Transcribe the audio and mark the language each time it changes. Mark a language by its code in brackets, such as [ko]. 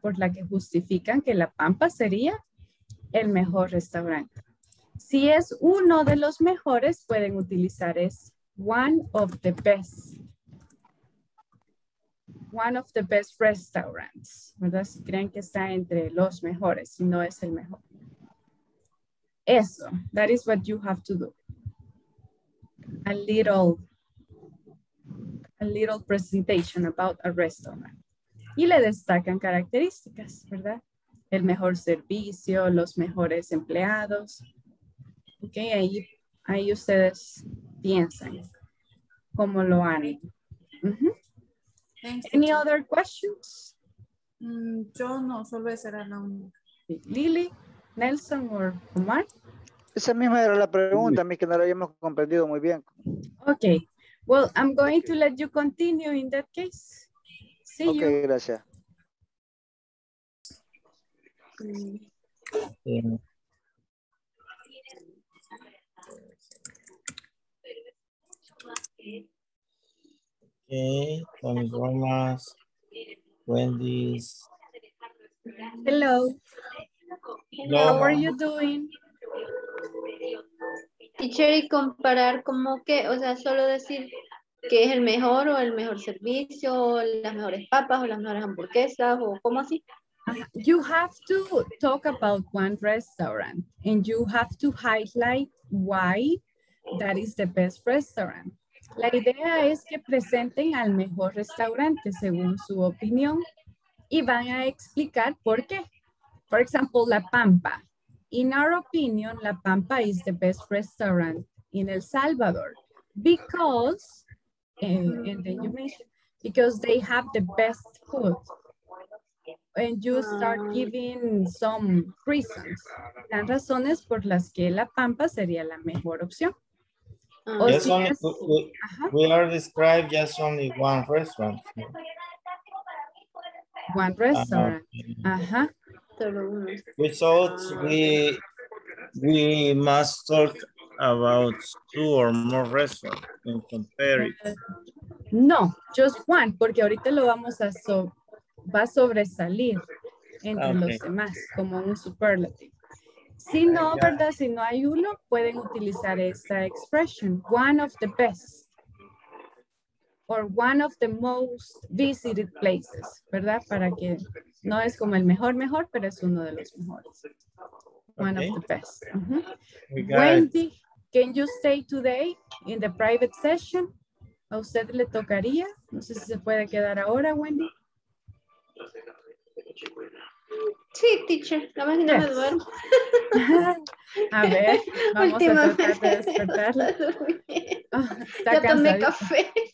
[es] Por la que justifican que La Pampa sería el mejor restaurante. Si es uno de los mejores, pueden utilizar [en] es one of the best. One of the best restaurants, [es] ¿verdad? Si creen que está entre los mejores, si no es el mejor. [en] Eso, that is what you have to do. A little presentation about a restaurant. [es] Y le destacan características, ¿verdad? El mejor servicio, los mejores empleados. Ok, ahí ustedes piensan cómo lo han. [en] Any other questions? [es] Yo no, solo esa era la única. Lily, Nelson o Omar. Esa misma era la pregunta, a mí que no la habíamos comprendido muy bien. Ok. [en] Well, I'm going to let you continue in that case. See okay, you. [es] Okay, gracias. [en] Okay, Tony Gomez, Wendy's. Hello. Hello. How are you doing? [es] Teacher, y comparar como que, o sea, solo decir que es el mejor o el mejor servicio, o las mejores papas o las mejores hamburguesas o como así. [en] You have to talk about one restaurant and you have to highlight why that is the best restaurant. [es] La idea es que presenten al mejor restaurante según su opinión y van a explicar por qué. [en] For example, La Pampa. In our opinion, La Pampa is the best restaurant in El Salvador because, and then you mentioned, because they have the best food. And you start giving some reasons. [es] Dan razones por las que La Pampa sería la mejor opción. [en] Yes, only, we are describing just only one restaurant. One restaurant. Results, we must talk about two or more restaurants and compare it. No, just one, [es] porque ahorita lo vamos a va a sobresalir entre los demás, como un superlative. Si no, ¿verdad? Si no hay uno, pueden utilizar esta expression, [en] one of the best, or one of the most visited places, [es] ¿verdad? Para que no es como el mejor mejor, pero es uno de los mejores. [en] One of the best. Wendy, can you stay today in the private session? [es] A usted le tocaría. No sé si se puede quedar ahora, Wendy. Sí, teacher. La máquina me duerme. A ver, vamos a tratar de despertarla. Está cansada. Yo tomé café.